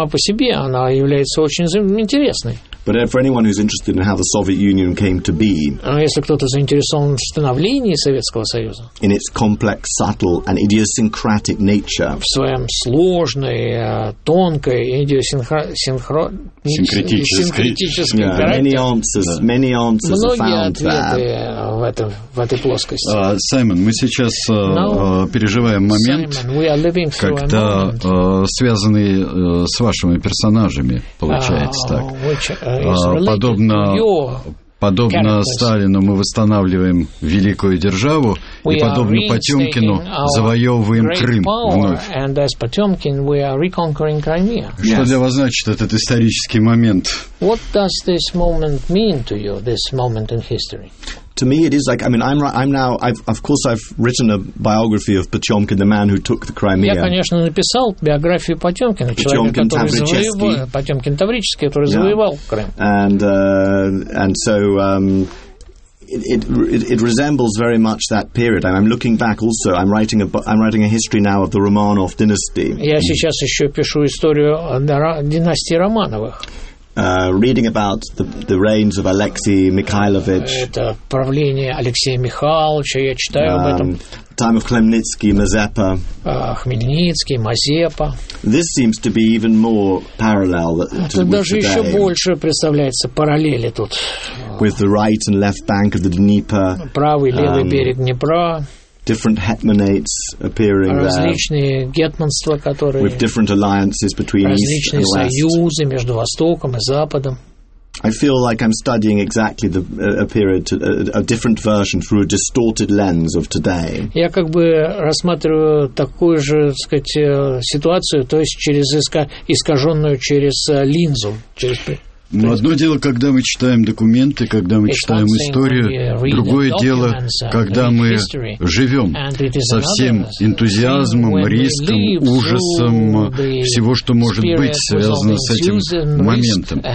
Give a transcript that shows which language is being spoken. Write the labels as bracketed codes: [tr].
[en] I'm not sympathetic. But for anyone who's interested in how the Soviet Union came to be, [ru] если кто-то заинтересован в становлении Советского Союза, [en] in its complex, subtle, and idiosyncratic nature, [ru] в своем сложной, тонкой, идиосинкратической характере, [en] many answers [ru] многие [en] are found [ru] ответы в этой плоскости. Саймон, мы сейчас переживаем момент, [en] Simon, [ru] когда связанный с вашими персонажами, получается так. Подобно Сталину мы восстанавливаем великую державу, и подобно Потемкину завоевываем Крым вновь. Что для вас значит этот исторический момент? [en] What does this moment mean to you, this moment in history? To me, it is like, I mean, I've written a biography of Potemkin, the man who took the Crimea. [ru] Я, конечно, написал биографию Потемкина, человека, Потемкин Таврический, который завоевал Крым. [en] And so it resembles very much that period. I'm looking back also. I'm writing a history now of the Romanov dynasty. [ru] Я сейчас еще пишу историю династии Романовых. [en] Reading about the reigns of Alexei Mikhailovich. [ru] Это правление Алексея Михайловича, я читаю об этом. [en] Time of Khmelnytsky, Mazepa. [ru] Хмельницкий, Мазепа. [en] This seems to be even more parallel to today. [ru] Это даже еще больше представляется параллели тут. [en] With the right and left bank of the Dnieper. [ru] Правый и левый берег Днепра. [en] Different hetmanates appearing there. [ru] Различные гетманства, которые. [en] With different alliances between East and West. [ru] Различные союзы между Востоком и Западом. [en] I feel like I'm studying exactly the period, a different version through a distorted lens of today. [ru] Я как бы рассматриваю такую же, так сказать, ситуацию, то есть через искаженную через линзу, через. Но одно дело, когда мы читаем документы, когда мы читаем историю, другое дело, когда мы живем со всем энтузиазмом, риском, ужасом всего, что может быть связано с этим моментом.